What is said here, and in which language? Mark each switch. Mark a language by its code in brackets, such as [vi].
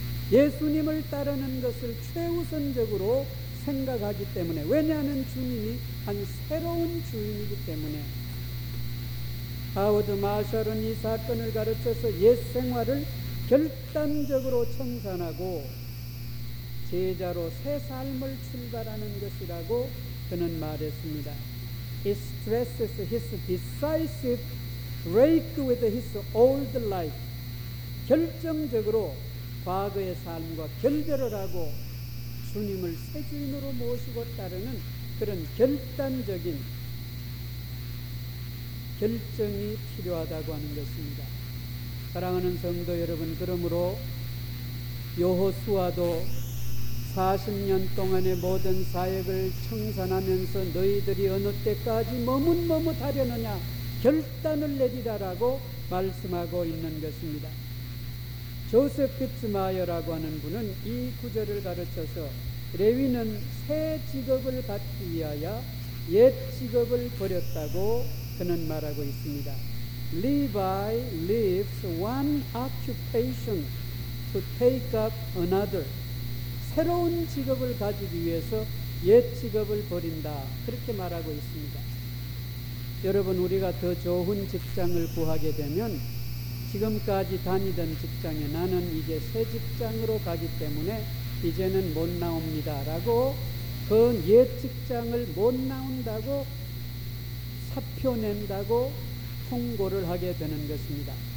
[ko] 예수님을 따르는 것을 최우선적으로 생각하기 때문에, 왜냐하면 주님이 한 새로운 주인이기 때문에. 하워드 마셜은 이 사건을 가르쳐서 옛 생활을 결단적으로 청산하고 제자로 새 삶을 출발하는 것이라고 그는 말했습니다. [en] It stresses his decisive break with his old life. [ko] 결정적으로 과거의 삶과 결별을 하고 주님을 새 주인으로 모시고 따르는 그런 결단적인 결정이 필요하다고 하는 것입니다. 사랑하는 성도 여러분, 그러므로 여호수아도 40년 동안의 모든 사역을 청산하면서 너희들이 어느 때까지 머뭇머뭇하려느냐, 결단을 내리라라고 말씀하고 있는 것입니다. 조셉 피츠마이어라고 하는 분은 이 구절을 가르쳐서 레위는 새 직업을 갖기 위하여 옛 직업을 버렸다고 그는 말하고 있습니다. [en] Levi leaves one occupation to take up another. [ko] 새로운 직업을 가지기 위해서 옛 직업을 버린다, 그렇게 말하고 있습니다. 여러분, 우리가 더 좋은 직장을 구하게 되면 지금까지 다니던 직장에 나는 이제 새 직장으로 가기 때문에 이제는 못 나옵니다 라고, 그 옛 직장을 못 나온다고 사표 낸다고 통고를 하게 되는 것입니다.